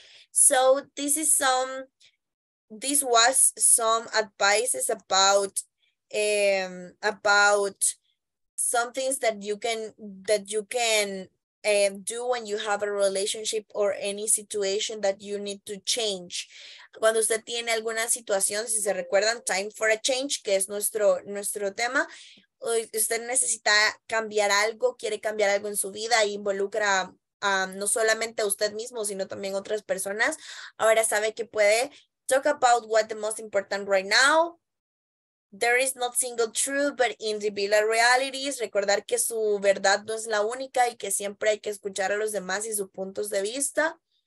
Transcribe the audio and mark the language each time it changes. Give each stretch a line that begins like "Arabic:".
English: So this was some advices about some things that you can do when you have a relationship or any situation that you need to change.
Spanish: Cuando usted tiene alguna situación, si se recuerdan,
English: time for a change,
Spanish: que es nuestro tema, usted necesita cambiar algo, quiere cambiar algo en su vida e involucra no solamente a usted mismo, sino también otras personas. Ahora sabe que puede
English: talk about what the most important right now. There is not single truth, but individual realities.
Spanish: Recordar que su verdad no es la única y que siempre hay que escuchar a los demás y sus puntos de vista.